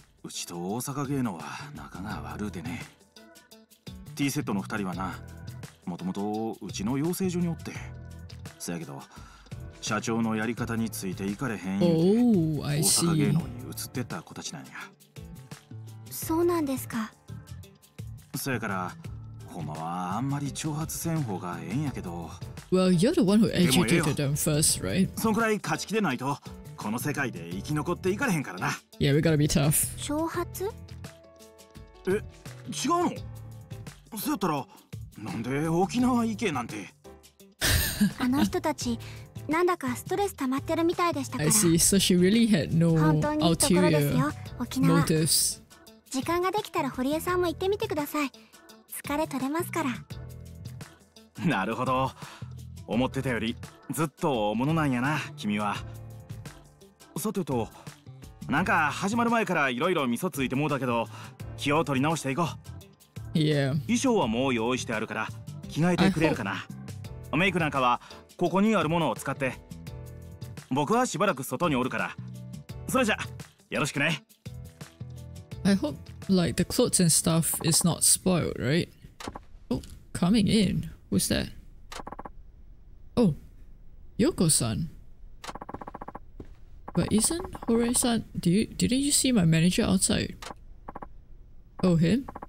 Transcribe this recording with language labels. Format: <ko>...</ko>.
<ja>うちと大阪芸能は仲が悪うてね。T セットの二人はな、もともとうちの養成所におって。せやけど、社長のやり方についていかれへんよ。おお、大阪芸能に移ってた子たちなんや。そうなんですか。せやから、ほんまはあんまり挑発せん方がええんやけど。</ja> <en>Well, you're the one who educated them first, right?</en> <ja>そんくらい勝ち気でないと。この世界で生き残っていかれへんからな。</ja> <en>Yeah, we gotta be tough.</en> <ja>挑発？え、違うの？そやったら、なんで沖縄行けなんて。あの人たち、なんだかストレス溜まってるみたいでしたから。</ja> <en>I see. So she really had no ulterior motives.</en> <ja>時間ができたら堀江さんも行ってみてください。疲れ取れますから。なるほど。思ってたよりずっと大物なんやな、君は。さてと、なんか始まる前からいろいろ味噌ついてもうだけど、気を取り直していこう。</ja> <en>Yeah.</en> <ja>衣装はもう用意してあるから、着替えてくれるかな。メイクなんかはここにあるものを使って。僕はしばらく外におるから。それじゃ、よろしくね。</ja> <en>I hope like the clothes and stuff is not spoiled, right? Oh, coming in. Who's that? Oh, Yoko-san. But isn't Hore-san? Didn't you see my manager outside? Oh, him?</en>